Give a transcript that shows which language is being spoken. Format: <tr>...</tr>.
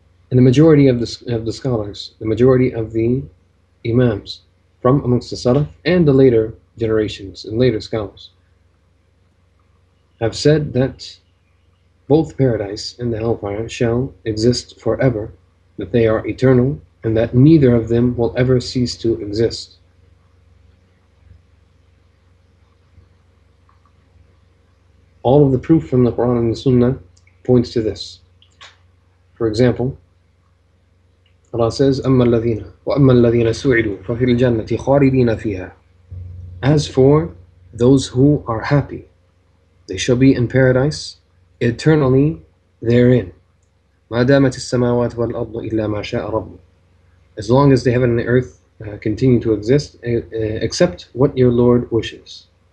<en>And the majority of the scholars, the majority of the imams from amongst the Salaf and the later generations and later scholars have said that both paradise and the hellfire shall exist forever, that they are eternal, and that neither of them will ever cease to exist. All of the proof from the Quran and the Sunnah points to this. For example, Allah says,</en> <ar>أَمَّا الَّذِينَ وَأَمَّا الَّذِينَ سُعِدُوا فَفِي الْجَنَّةِ خَارِدِينَ فِيهَا.</ar> <en>As for those who are happy, they shall be in paradise eternally therein.</en> <ar>مَا دَامَتِ السَّمَاوَاتِ وَالْأَرْضُ إِلَّا مَا شَاءَ رَبُّ.</ar> <en>As long as the heaven and the earth continue to exist, accept what your Lord wishes.</en>